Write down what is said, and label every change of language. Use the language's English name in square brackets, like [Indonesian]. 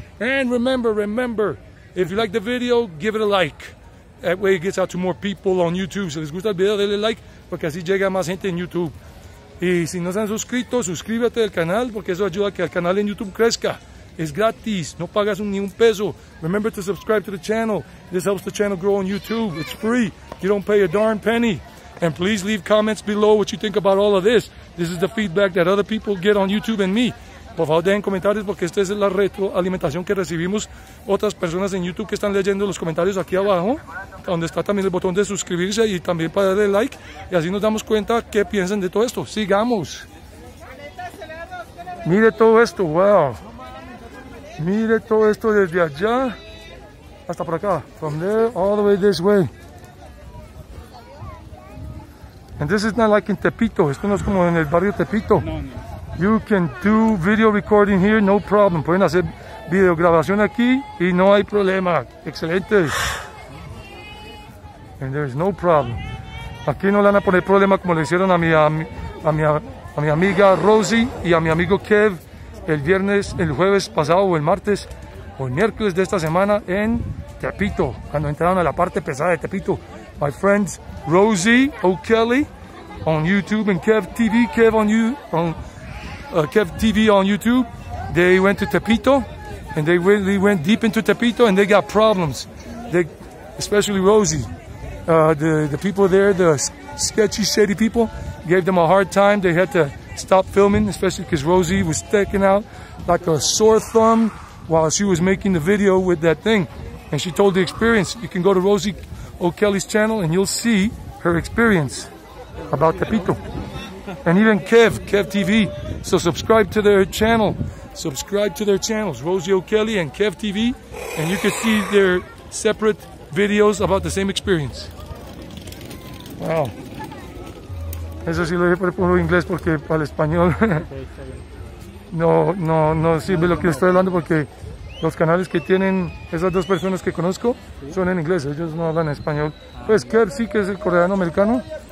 [English] And remember, if you like the video, give it a like. That way it gets out to more people on YouTube. [Spanish] Si les gusta el video, denle like, porque así llega más gente en YouTube. Y si no se han suscrito, suscríbete al canal, porque eso ayuda a que el canal en YouTube crezca. Es gratis, no pagas ni un peso. [English] Remember to subscribe to the channel. This helps the channel grow on YouTube. It's free. You don't pay a darn penny. And please leave comments below what you think about all of this. This is the feedback that other people get on YouTube and me. [Spanish] Por favor, dejen comentarios porque esta es la retroalimentación que recibimos otras personas en YouTube que están leyendo los comentarios aquí abajo, donde está también el botón de suscribirse y también para darle like. Y así nos damos cuenta qué piensan de todo esto. ¡Sigamos! ¡Mire todo esto! ¡Wow! ¡Mire todo esto desde allá hasta por acá! [English] From there all the way this way. And this is not like in Tepito. [Spanish] Esto no es como en el barrio Tepito. [English] You can do video recording here, no problem. [Spanish] Pueden hacer video grabación aquí y no hay problema. Excelente. [English] And there is no problem. [Spanish] Aquí no le van a poner problema como le hicieron a mi amiga Rosie y a mi amigo Kev el miércoles de esta semana en Tepito, cuando entraron a la parte pesada de Tepito. [English] My friends Rosie O'Kelly on YouTube and Kev TV on YouTube, they went to Tepito, and they went deep into Tepito, and they got problems. They, especially Rosie, the people there, the sketchy, shady people, gave them a hard time. They had to stop filming, especially because Rosie was sticking out like a sore thumb while she was making the video with that thing. And she told the experience. You can go to Rosie O'Kelly's channel, and you'll see her experience about Tepito. And even Kev TV. So subscribe to their channels, Rosie O'Kelly and Kev TV, and you can see their separate videos about the same experience. Wow. [Spanish] Eso sí lo dije por puro inglés porque para el español no sirve lo que estoy hablando porque los canales que tienen esas dos personas que conozco son en inglés, ellos no hablan español. Pues Kev sí que es el coreano americano.